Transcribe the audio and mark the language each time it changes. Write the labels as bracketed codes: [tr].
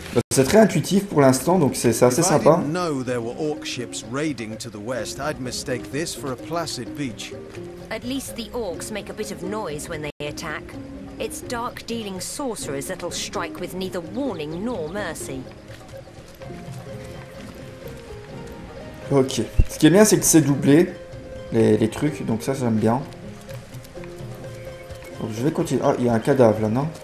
[fr] C'est très intuitif pour l'instant, donc c'est assez sympa. Si je ne savais pas qu'il y avait des orques qui raidaient à l'ouest, je me [en] mistake this for a placid beach. At least the orcs make a bit of noise when they attack. It's dark dealing sorcerers that'll strike with neither warning nor mercy. Ok. [fr] Ce qui est bien, c'est que c'est doublé, les trucs, donc ça j'aime bien. Donc, je vais continuer. Ah, il y a un cadavre là, non?